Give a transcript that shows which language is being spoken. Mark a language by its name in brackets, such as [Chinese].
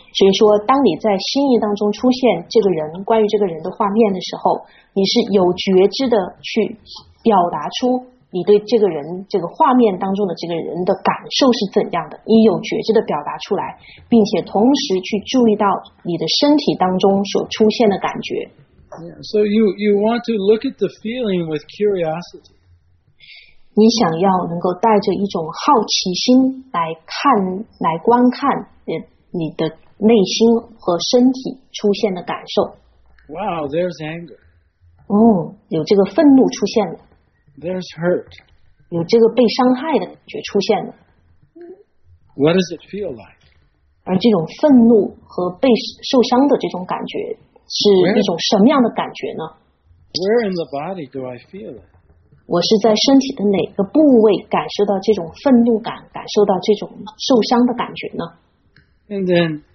[Chinese] 所以说当你在心意当中出现这个人，关于这个人的画面的时候，你是有觉知的去表达出你对这个人，这个画面当中的这个人的感受是怎样的，你有觉知的表达出来，并且同时去注意到你的身体当中所出现的感觉。 [English] So you want to look at the feeling with curiosity. [Chinese] 你想要能够带着一种好奇心来看，来观看你的内心和身体出现的感受。 [English] Wow, there's anger. [Chinese] 有这个愤怒出现了。 [English] There's hurt. [Chinese] 有这个被伤害的感觉出现了。 [English] What does it feel like? [Chinese] 而这种愤怒和被受伤的这种感觉是一种什么样的感觉呢？ [English] Where in the body do I feel it? [Chinese] 我是在身体的哪个部位感受到这种愤怒感，感受到这种受伤的感觉呢？